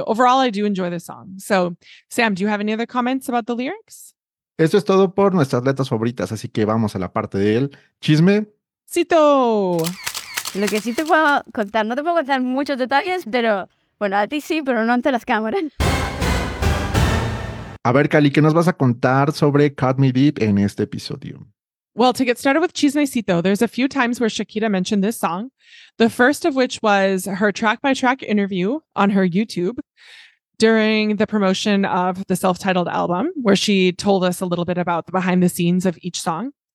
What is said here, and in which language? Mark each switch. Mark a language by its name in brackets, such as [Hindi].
[English] Overall, I do enjoy the song. So, Sam, do you have any other comments about the lyrics? [Spanish] Eso es todo por nuestras letras favoritas, así que vamos a la parte del chisme. ¡Cito! Lo que sí te puedo contar, no te puedo contar muchos detalles, pero... Bueno, a ti sí, pero no ante las cámaras. A ver, Cali, ¿qué nos vas a contar sobre Cut Me Deep en este episodio? [English] Well, to get started with Chismecito, there's a few times where Shakira mentioned this song, the first of which was her track-by-track interview on her YouTube during the promotion of the self-titled album, where she told us a little bit about the behind the scenes of each song.